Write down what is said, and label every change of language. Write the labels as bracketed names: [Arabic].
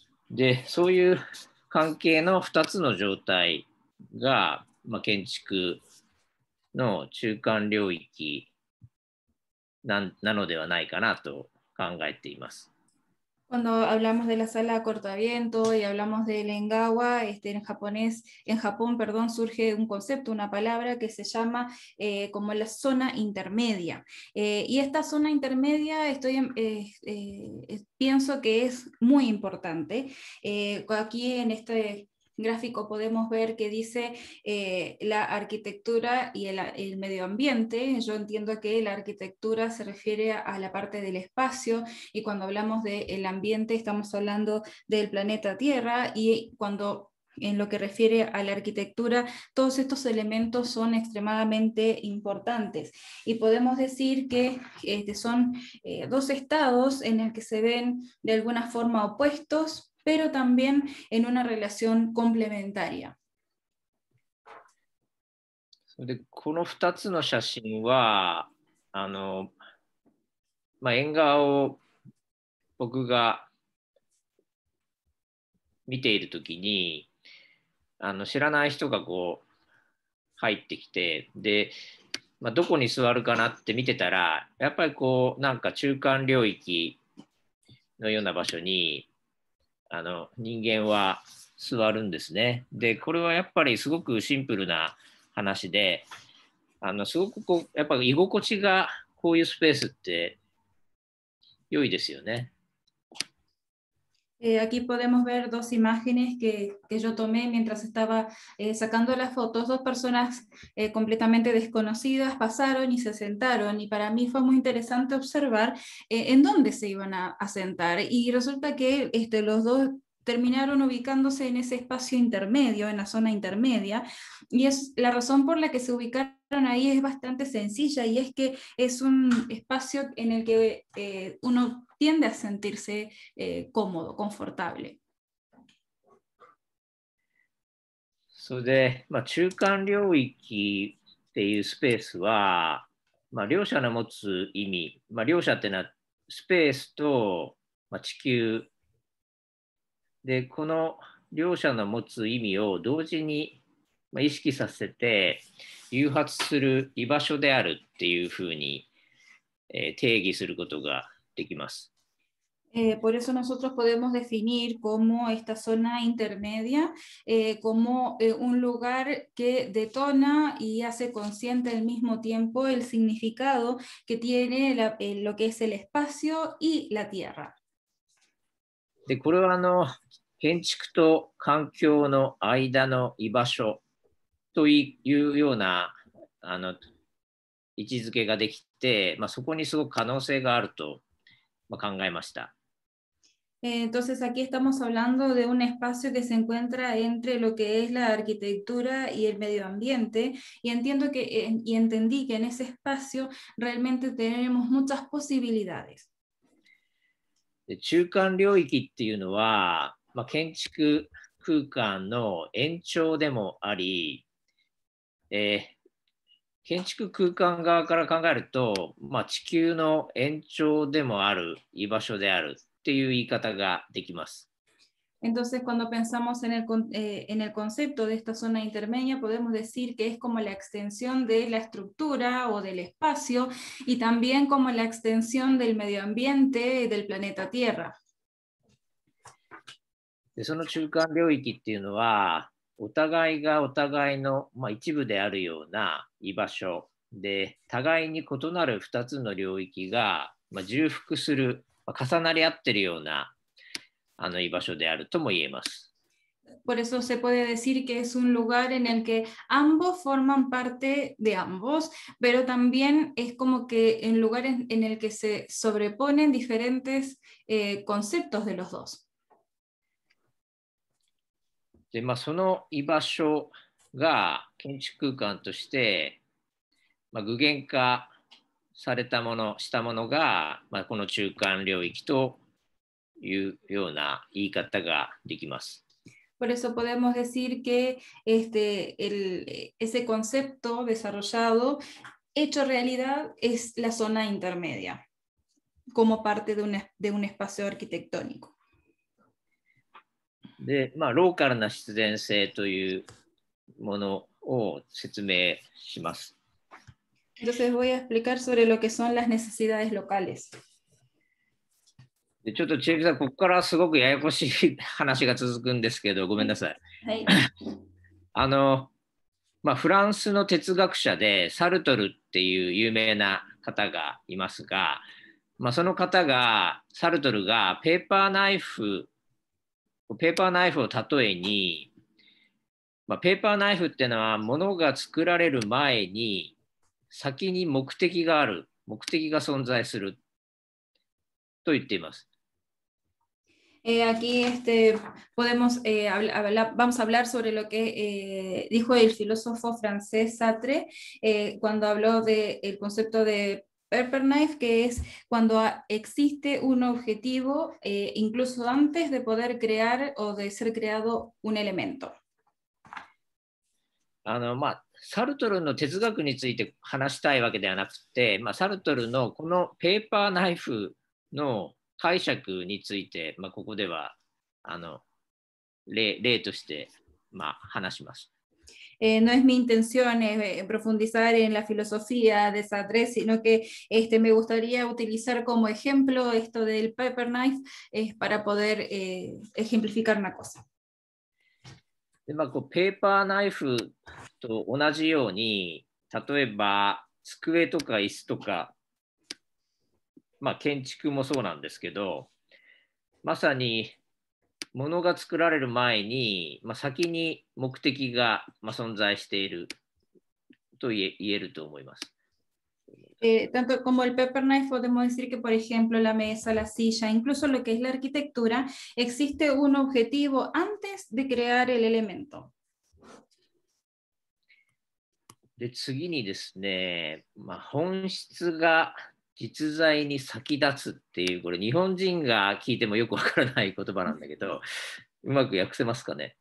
[Japanese] で、そういう関係の2つの状態が、まあ、建築の中間領域 なのではないかなと考えています。 [Spanish] Cuando hablamos de la sala cortaviento y hablamos de Lengawa, este, en japonés, en Japón, perdón, surge un concepto, una palabra que se llama como la zona intermedia. Y esta zona intermedia estoy, pienso que es muy importante. Aquí en este gráfico podemos ver que dice la arquitectura y el medio ambiente. Yo entiendo que la arquitectura se refiere a la parte del espacio, y cuando hablamos del ambiente estamos hablando del planeta Tierra, y cuando en lo que refiere a la arquitectura, todos estos elementos son extremadamente importantes. Y podemos decir que son dos estados en el que se ven de alguna forma opuestos, pero también en una relación complementaria. [Japanese] それでこの2つの写真は、縁側を僕が見ているときに、知らない人がこう入ってきて、で、どこに座るかなって見てたら、やっぱりこう、なんか中間領域のような場所に、人間は座るんですね。で、これはやっぱりすごくシンプルな話で、すごくこう、やっぱり居心地がこういうスペースって良いですよね。 [Spanish] Aquí podemos ver dos imágenes que yo tomé mientras estaba sacando las fotos. Dos personas completamente desconocidas pasaron y se sentaron, y para mí fue muy interesante observar en dónde se iban a sentar, y resulta que los dos terminaron ubicándose en ese espacio intermedio, en la zona intermedia, y es la razón por la que se ubicaron ahí es bastante sencilla, y es que es un espacio en el que uno tiende a sentirse cómodo, confortable. [Japanese] それで、中間領域っていうスペースは、両者の持つ意味、両者ってのはスペースと、地球で、この両者の持つ意味を同時に、意識させて誘発する居場所であるっていうふうに、定義することができます。 [Spanish] Por eso nosotros podemos definir como esta zona intermedia como un lugar que detona y hace consciente al mismo tiempo el significado que tiene lo que es el espacio y la tierra. [Japanese] De これは建築と環境の間の居場所というような位置づけができて、そこにすごく可能性があると考えました。 [Spanish] Entonces aquí estamos hablando de un espacio que se encuentra entre lo que es la arquitectura y el medio ambiente, y entiendo que y entendí que en ese espacio realmente tenemos muchas posibilidades. [Japanese] 中間領域っていうのは、建築空間の延長でもあり、建築空間側から考えると、地球の延長でもある居場所である。という言い方ができます。 [Spanish] Entonces, cuando pensamos en el concepto de esta zona intermedia, podemos decir que es como la extensión de la estructura o del espacio, y también como la extensión del medio ambiente del planeta Tierra. [Japanese] で、その中間領域っていうのは、お互いがお互いの、一部であるような居場所で、互いに異なる2つの領域が、重複する。重なり合ってるような居場所であるとも言えます。 [Spanish] Por eso se puede decir que es un lugar en el que ambos forman parte de ambos, pero también es como que en lugares en el que se sobreponen diferentes conceptos de los dos. [Japanese] で、その居場所が建築空間として、具現化されたものしたものが、この中間領域というような言い方ができます。 [Spanish] Por eso podemos decir que ese concepto desarrollado hecho realidad es la zona intermedia como parte de un espacio arquitectónico。 [Japanese] で、ローカルな必然性というものを説明します。 [Spanish] Entonces voy a explicar sobre lo que son las necesidades locales. [Japanese] ちょっとチェフさん、ここからすごくややこしい話が続くんですけど、ごめんなさい。はい。フランスの哲学者でサルトルっていう有名な方がいますが、その方が、サルトルがペーパーナイフを例えに、ペーパーナイフっていうのは物が作られる前に先に目的がある、目的が存在すると言っています。 [Spanish] Aquí podemos vamos a hablar sobre lo que dijo el filósofo francés Sartre cuando habló del concepto de paper knife, que es cuando existe un objetivo incluso antes de poder crear o de ser creado un elemento. [Japanese] サルトルの哲学について話したいわけではなくて、サルトルのこのペーパーナイフの解釈について、ここでは例として話します。 [Spanish] No es mi intención profundizar en la filosofía de Sartre, sino que me gustaría utilizar como ejemplo esto del paper knife para poder ejemplificar una cosa. [Japanese] ペーパーナイフと同じように、例えば机とか椅子とか、建築もそうなんですけど、まさに物が作られる前に、先に目的が存在していると言えると思います。 [Spanish] Tanto como el paper knife, podemos decir que, por ejemplo, la mesa, la silla, incluso lo que es la arquitectura, existe un objetivo antes de crear el elemento. [Japanese] で、次にですね、本質が実在に先立つっていう、これ日本人が聞いてもよくわからない言葉なんだけど、うまく訳せますかね。